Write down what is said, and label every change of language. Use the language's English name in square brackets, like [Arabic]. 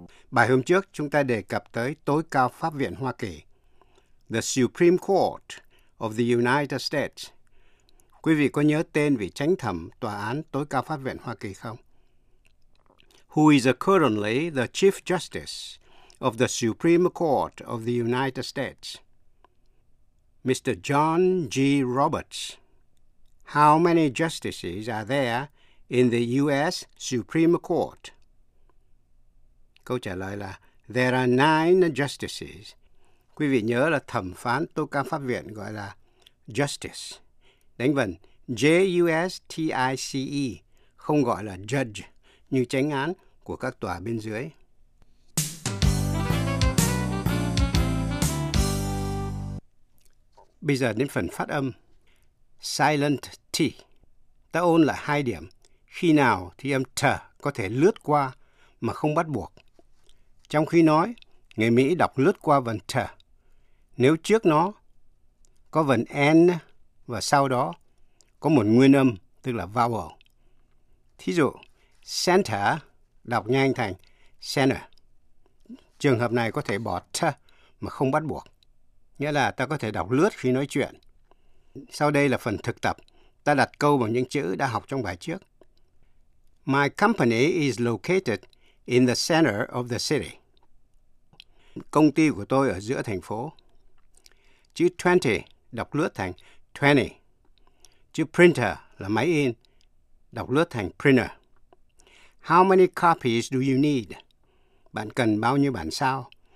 [Vietnamese] Bài hôm trước chúng ta đề cập tới tối cao Pháp viện Hoa Kỳ, [English] The Supreme Court of the United States. [Vietnamese] Quý vị có nhớ tên vị chánh thẩm tòa án tối cao Pháp viện Hoa Kỳ không? [English] Who is currently the Chief Justice of the Supreme Court of the United States? Mr. John G. Roberts. How many justices are there in the U.S. Supreme Court? [Vietnamese] Câu trả lời là [English] there are 9 justices. [Vietnamese] Quý vị nhớ là thẩm phán tối cao pháp viện gọi là justice. Đánh vần J-U-S-T-I-C-E, không gọi là judge như chánh án của các tòa bên dưới. Bây giờ đến phần phát âm. Silent T. Ta ôn lại hai điểm. Khi nào thì âm T có thể lướt qua mà không bắt buộc. Trong khi nói, người Mỹ đọc lướt qua vần T. Nếu trước nó có vần N và sau đó có một nguyên âm, tức là vowel. Thí dụ, center đọc nhanh thành center. Trường hợp này có thể bỏ T mà không bắt buộc. Nghĩa là ta có thể đọc lướt khi nói chuyện. Sau đây là phần thực tập. Ta đặt câu bằng những chữ đã học trong bài trước. [English] My company is located in the center of the city. [Vietnamese] Công ty của tôi ở giữa thành phố. Chữ 20 đọc lướt thành 20. Chữ printer là máy in, đọc lướt thành printer. [English] How many copies do you need? [Vietnamese] Bạn cần bao nhiêu bản sao?